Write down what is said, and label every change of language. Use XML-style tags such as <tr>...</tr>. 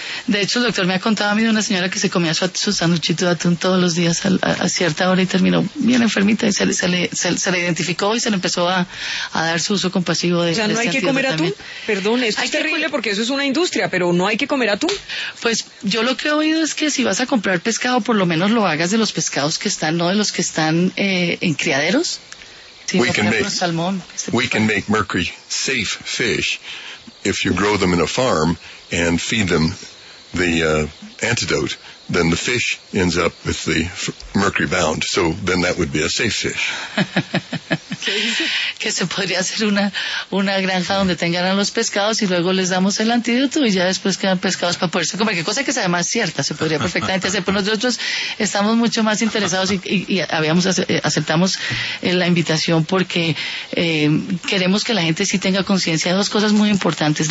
<es>De hecho, el doctor me ha contado a mí de una señora que se comía su sanduchito de atún todos los días a cierta hora y terminó bien enfermita y se le identificó y se le empezó a dar su uso compasivo. O sea, no hay que comer atún. Perdón, esto es terrible porque eso es una industria, pero ¿no hay que comer atún? Pues yo lo que he oído es que si vas a comprar pescado, por lo menos lo hagas de los pescados que están, no de los que están en criaderos.</es> <en>We can make salmón. We can make mercury safe fish if you grow them in a farm and feed them the antidote, then the fish ends up with the mercury bound. So then that would be a safe fish.</en> <es>Que se podría hacer una granja donde tengan a los pescados y luego les damos el antídoto y ya después quedan pescados para poderse comer. Qué cosa que es además cierta, se podría perfectamente hacer. Pero nosotros estamos mucho más interesados aceptamos la invitación porque queremos que la gente sí tenga conciencia de dos cosas muy importantes.</es>